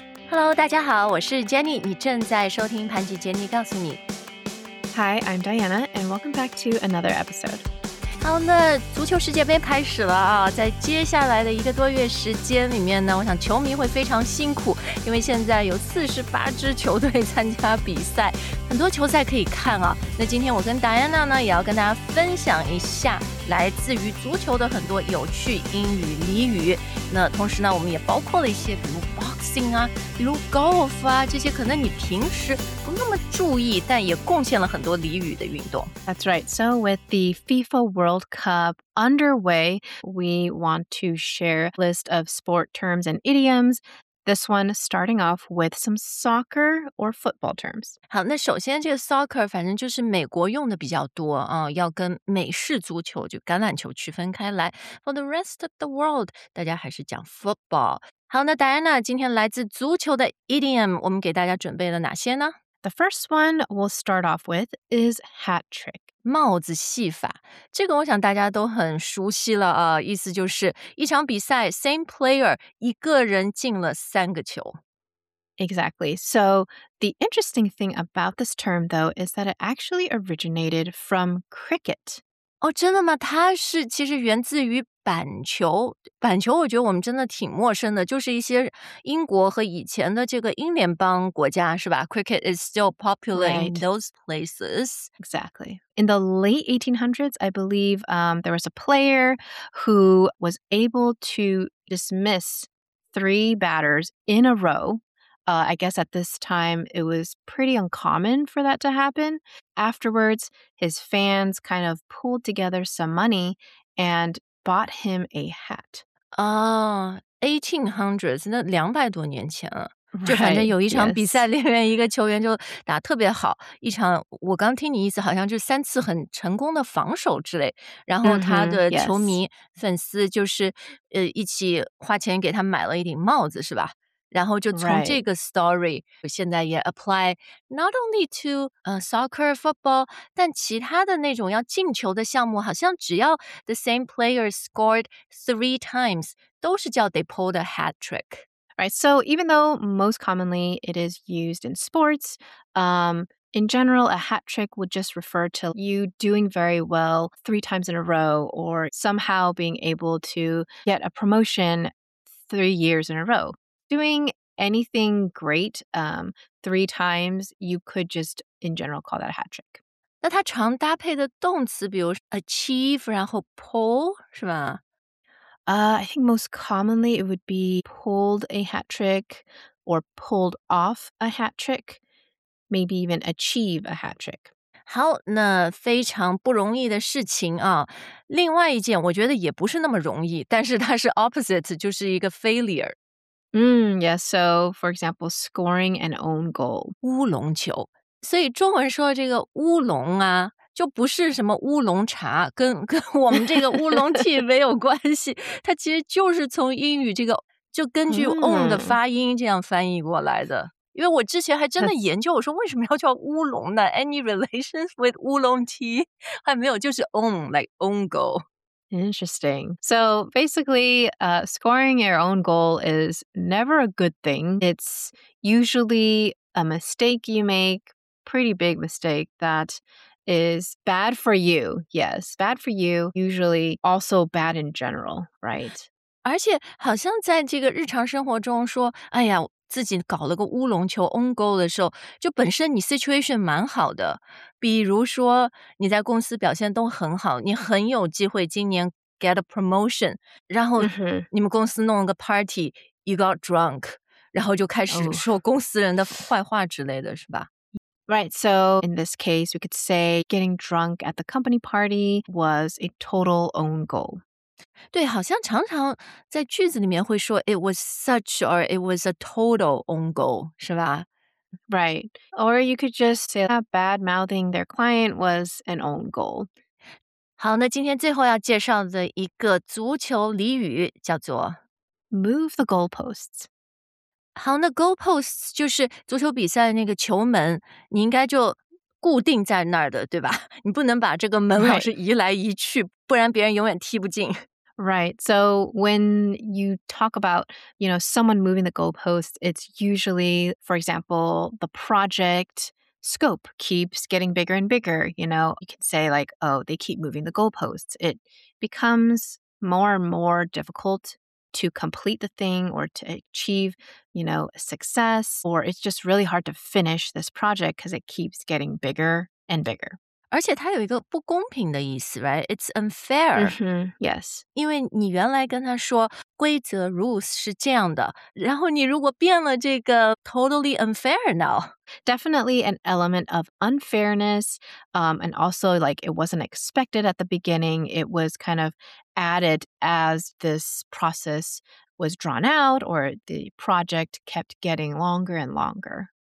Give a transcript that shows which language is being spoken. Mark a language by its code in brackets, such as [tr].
[zh] Hello, 大家好，我是 Jenny, 你正在收听盘吉 Jenny 告诉你。 [en] Hi, I'm Diana, and welcome back to another episode. [zh] 好，那足球世界杯开始了啊，在接下来的一个多月时间里面呢，我想球迷会非常辛苦，因为现在有48支球队参加比赛，很多球赛可以看啊。那今天我跟 Diana 呢，也要跟大家分享一下来自于足球的很多有趣英语俚语。那同时呢，我们也包括了一些比如boxing 啊，比如 golf 啊，这些可能你平时不那么注意，但也贡献了很多俚语的运动。 [en] That's right. So with the FIFA World Cup underway, we want to share a list of sport terms and idioms. This one starting off with some soccer or football terms. [zh] 好，那首先这个 soccer 反正就是美国用的比较多啊，要跟美式足球就橄榄球区分开来。 [en] For the rest of the world, [zh] 大家还是讲 [en] football。 [zh] 好，那 Diana 今天来自足球的 idiom 我们给大家准备了哪些呢？ [en] The first one we'll start off with is hat trick. [zh] 帽子戏法，这个我想大家都很熟悉了啊，意思就是一场比赛 [en] same player [zh] 一个人进了三个球。 [en] Exactly. So the interesting thing about this term though is that it actually originated from cricket. [zh] 哦，真的吗？它是其实源自于板球，板球我觉得我们真的挺陌生的，就是一些英国和以前的这个英联邦国家，是吧？ [en] Cricket is still popular right. in those places. Exactly. In the late 1800s, I believe, there was a player who was able to dismiss three batters in a row. I guess at this time, it was pretty uncommon for that to happen. Afterwards, his fans kind of pulled together some money andbought him a hat. [zh] Oh, 1800s, 那200多年前了。 [en] Right, [zh] 就反正有一场比赛、 [en] yes. [zh] 里面一个球员就打特别好。一场我刚听你意思好像就三次很成功的防守之类。然后他的球迷、 [en] mm-hmm, yes. [zh] 粉丝就是一起花钱给他买了一顶帽子是吧。然后就从这个 story、 [en] right. [zh] 现在也 [en] apply not only to soccer, football, [zh] 但其他的那种要进球的项目好像只要 [en] the same player scored three times [zh] 都是叫 [en] they pulled a hat trick. Right, so even though most commonly it is used in sports, in general, a hat trick would just refer to you doing very well three times in a row or somehow being able to get a promotion 3 years in a row. Doing anything great, three times, you could just, in general, call that a hat trick. [zh] 那它常搭配的动词，比如 achieve, 然后 pull, 是吧？ [en] I think most commonly it would be pulled a hat trick or pulled off a hat trick, maybe even achieve a hat trick. [zh] 好，那非常不容易的事情啊。另外一件我觉得也不是那么容易，但是它是 opposite, 就是一个 failure. [en] Yes, so for example, scoring an own goal. [zh] 乌龙球，所以中文说这个乌龙啊，就不是什么乌龙茶，跟我们这个乌龙 tea 没有关系。它其实就是从英语这个，就根据 own 的发音这样翻译过来的。因为我之前还真的研究，我说为什么要叫乌龙呢？ [en] Any relations with 乌龙 tea? [zh] 还没有，就是 [en] own, like own goal. Interesting. So basically, scoring your own goal is never a good thing. It's usually a mistake you make, pretty big mistake that is bad for you. Yes, bad for you, usually also bad in general, right? [zh] 而且好像在这个日常生活中说，哎呀，自己搞了个乌龙球 own goal 的时候，就本身你 situation 蛮好的。比如说你在公司表现都很好，你很有机会今年 [en] get a promotion, [zh] 然后你们公司弄了个 party, [en] you got drunk, [zh] 然后就开始说公司人的坏话之类的是吧、 [en] oh. Right, so in this case, we could say getting drunk at the company party was a total own goal. [zh] 对，好像常常在句子里面会说 [en] it was such or it was a total own goal, [zh] 是吧？ [en] Right. Or you could just say that bad-mouthing their client was an own goal. [zh] 好，那今天最后要介绍的一个足球俚语叫做 [en] move the goalposts. [zh] 好，那 goalposts 就是足球比赛那个球门，你应该就固定在那儿的，对吧？你不能把这个门老是移来移去， [en] right. [zh] 不然别人永远踢不进。 [en] Right. So when you talk about, you know, someone moving the goalposts, it's usually, for example, the project scope keeps getting bigger and bigger. You know, you can say like, oh, they keep moving the goalposts. It becomes more and more difficult to complete the thing or to achieve, you know, success, or it's just really hard to finish this project because it keeps getting bigger and bigger. [zh] 而且它有一个不公平的意思 ，right? [en] It's unfair. Mm-hmm. Yes. [zh] 因为你原来跟他说规则 rules 是这样的，然后你如果变了这个 [en] totally unfair now. Definitely an element of unfairness, and also like it wasn't expected at the beginning. It was kind of added as this process was drawn out, or the project kept getting longer and longer.